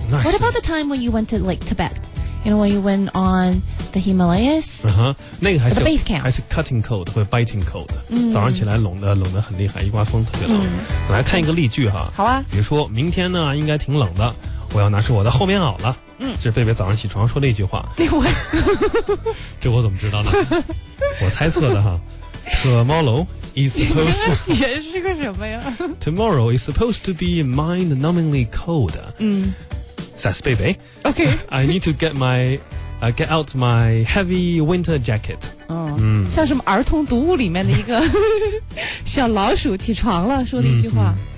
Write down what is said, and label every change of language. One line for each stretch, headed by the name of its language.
English: What about the time when you went to Lake Tibet? You know when you went on the Himalayas?
Chinese: 那个还是
English: the base camp，
Chinese: 还是 cutting cold 或者 biting cold。早上起来冷得很厉害，一刮风特别冷。来看一个例句哈。好啊。比如说明天呢应该挺冷的，我要拿出我的厚棉袄了。这是贝贝早上起床说的一句话。这我怎么知道呢？我猜测的哈。
English: Tomorrow is supposed to
Chinese: 你解释个什么呀
English: ？Tomorrow is supposed to be mind-numbingly cold. That's baby. Okay. I need to get my get out my heavy winter jacket.
Chinese: 哦、嗯，像什么儿童读物里面的一个小老鼠起床了说的一句话。